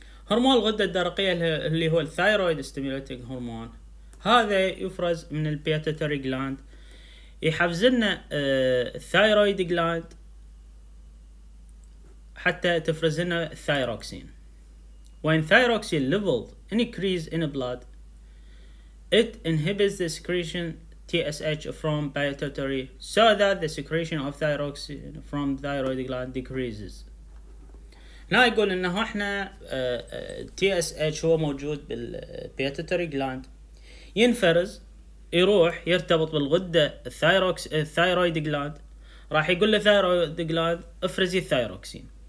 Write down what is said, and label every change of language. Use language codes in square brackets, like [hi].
[ar] هرمون الغده الدرقيه اللي هو الثايرويد ستيمولاتينج هرمون، هذا يفرز من البيتاتوري جلاند يحفز لنا الثايرويد جلاند حتى تفرز لنا الثايروكسين. [en] When thyroxine level increase in blood, it inhibits the secretion TSH from pituitary so that the secretion of thyroxine from thyroid gland decreases. [ar] لا يقول انه احنا TSH هو موجود بالبيتوتري جلاند ينفرز يروح يرتبط بالغدة الثايرويد جلاند، راح يقول للثايرويد جلاند افرزي الثايروكسين.